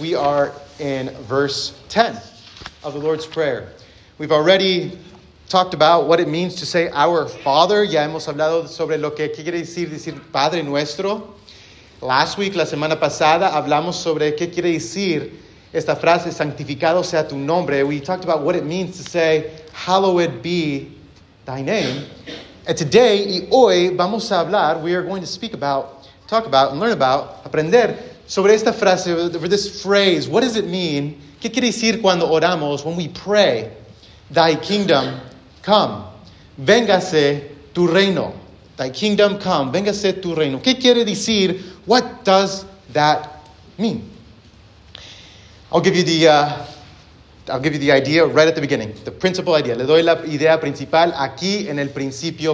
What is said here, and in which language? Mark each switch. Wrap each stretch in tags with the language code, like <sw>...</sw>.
<en>We are in verse 10 of the Lord's Prayer. We've already talked about what it means to say our Father.</en> <es>Ya hemos hablado sobre lo que quiere decir Padre Nuestro.</es> <en>Last week,</en> <es>la semana pasada, hablamos sobre qué quiere decir esta frase, santificado sea tu nombre.</es> <en>We talked about what it means to say, hallowed be thy name. And today,</en> <es>y hoy, vamos a hablar,</es> <en>we are going to speak about, talk about, and learn about,</en> <es>aprender sobre esta frase,</es> <en>over this phrase. What does it mean?</en> <es>¿Qué quiere decir cuando oramos,</es> <en>when we pray? Thy kingdom come.</en> <es>Véngase tu reino.</es> <en>Thy kingdom come. Véngase tu reino.</en> <es>¿Qué quiere decir?</es> <en>What does that mean? I'll give you the idea right at the beginning. The principal idea.</en> <es>Le doy la idea principal aquí en el principio.</es>